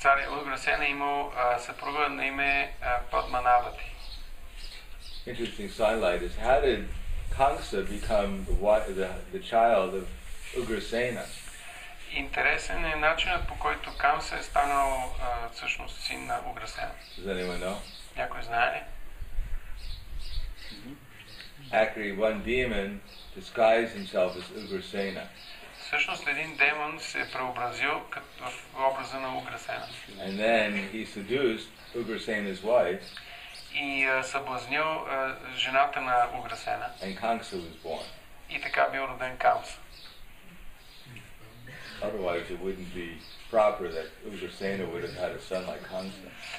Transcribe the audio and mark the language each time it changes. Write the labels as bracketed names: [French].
[Bulgarian] Ugrasena имал съпруга на име Padmanavati. [English] Interesting sidelight is how did Kansa become the child of Ugrasena? [Bulgarian] Интересен е начинът по който Камса е станал всъщност син на Уграсена. [English] Does anyone know? [Bulgarian] Някой знае ли? [English] Actually, one demon disguised himself as Ugrasena. [Bulgarian] Всъщност един демон се преобразил в образа на Уграсена. [English] And then he seduced Ugrasena's wife. [Bulgarian] И съблазнил жената на Уграсена. [English] And Kansa was born. [Bulgarian] И така бил роден Камса. [English] Otherwise, it wouldn't be proper that Ugrasena would have had a son like Kansa.